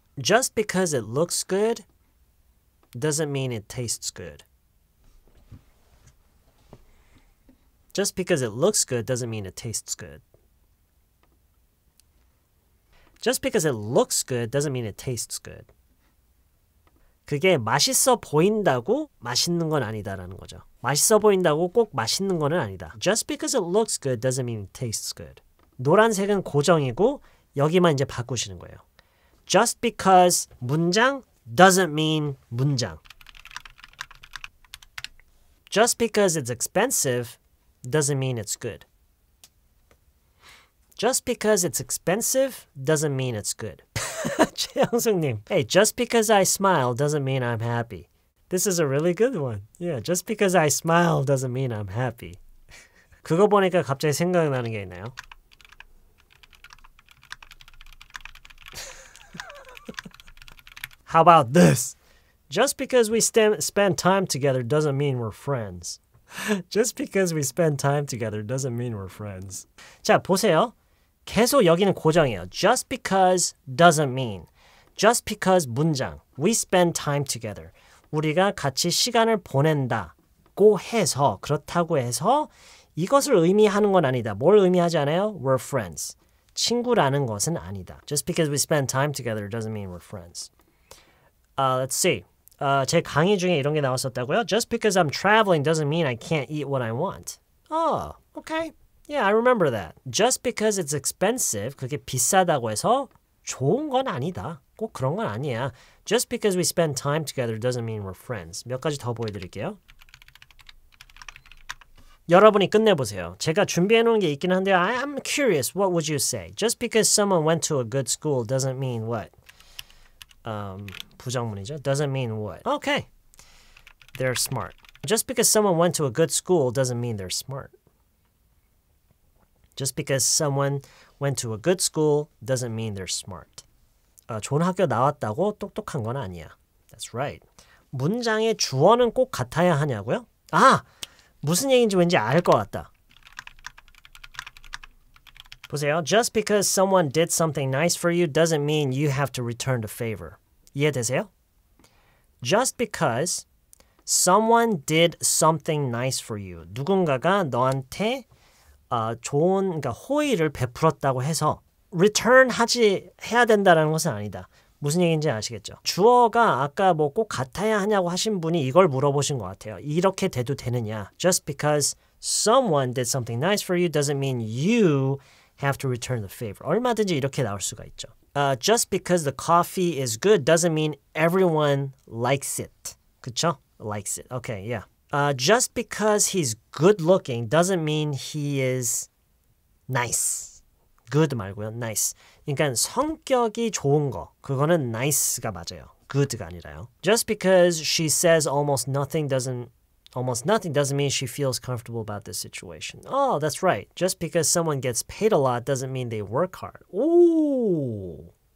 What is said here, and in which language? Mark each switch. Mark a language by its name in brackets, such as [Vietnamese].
[English] Just because it looks good doesn't mean it tastes good. Just because it looks good doesn't mean it tastes good. Just because it looks good doesn't mean it tastes good. [Korean] 그게 맛있어 보인다고 맛있는 건 아니다라는 거죠. 맛있어 보인다고 꼭 맛있는 거는 아니다. [English] Just because it looks good doesn't mean it tastes good. [Korean] 노란색은 고정이고 여기만 이제 바꾸시는 거예요. [English] Just because 문장 doesn't mean 문장. Just because it's expensive doesn't mean it's good. Just because it's expensive doesn't mean it's good. [Korean] 최영숙님. [English] Hey, just because I smile doesn't mean I'm happy. This is a really good one. Yeah, just because I smile doesn't mean I'm happy. [Korean] 그거 보니까 갑자기 생각나는 게 있네요. [English] How about this? Just because we spend time together doesn't mean we're friends. Just because we spend time together doesn't mean we're friends. [Korean] 자, 보세요. 계속 여기는 고정이에요. [English] Just because doesn't mean. Just because 문장. We spend time together. [Korean] 우리가 같이 시간을 보낸다고 해서, 그렇다고 해서 이것을 의미하는 건 아니다. 뭘 의미하지 않아요? [English] We're friends. [Korean] 친구라는 것은 아니다. [English] Just because we spend time together doesn't mean we're friends. Let's see. [Korean] 제 강의 중에 이런 게 나왔었다고요? [English] Just because I'm traveling doesn't mean I can't eat what I want. Oh, okay. Yeah, I remember that. Just because it's expensive, [Korean] 그게 비싸다고 해서 좋은 건 아니다. 꼭 그런 건 아니야. [English] Just because we spend time together doesn't mean we're friends. [Korean] 몇 가지 더 보여드릴게요. 여러분이 끝내보세요. 제가 준비해놓은 게 있긴 한데, [English] I'm curious, what would you say? Just because someone went to a good school doesn't mean what? [Korean] 부정문이죠. [English] Doesn't mean what? Okay. They're smart. Just because someone went to a good school doesn't mean they're smart. Just because someone went to a good school doesn't mean they're smart. [Korean] 좋은 학교 나왔다고 똑똑한 건 아니야. [English] That's right. [Korean] 문장의 주어는 꼭 같아야 하냐고요? 아! 무슨 얘기인지 왠지 알 것 같다. 보세요. [English] Just because someone did something nice for you doesn't mean you have to return the favor. [Korean] 이해되세요? [English] Just because someone did something nice for you. [Korean] 누군가가 너한테 좋은 그러니까 호의를 베풀었다고 해서 return 하지 해야 된다라는 것은 아니다. 무슨 얘기인지 아시겠죠? 주어가 아까 뭐 꼭 같아야 하냐고 하신 분이 이걸 물어보신 것 같아요. 이렇게 돼도 되느냐? [English] Just because someone did something nice for you doesn't mean you have to return the favor. [Korean] 얼마든지 이렇게 나올 수가 있죠. [English] Just because the coffee is good doesn't mean everyone likes it. [Korean] 그쵸? [English] Likes it. Okay, yeah. Just because he's good looking doesn't mean he is nice. [Korean] Good 말고요. Nice. 그러니까 성격이 좋은 거. 그거는 nice가 맞아요. Good가 아니라요. [English] Just because she says almost nothing doesn't mean she feels comfortable about this situation. Oh, that's right. Just because someone gets paid a lot doesn't mean they work hard. Ooh.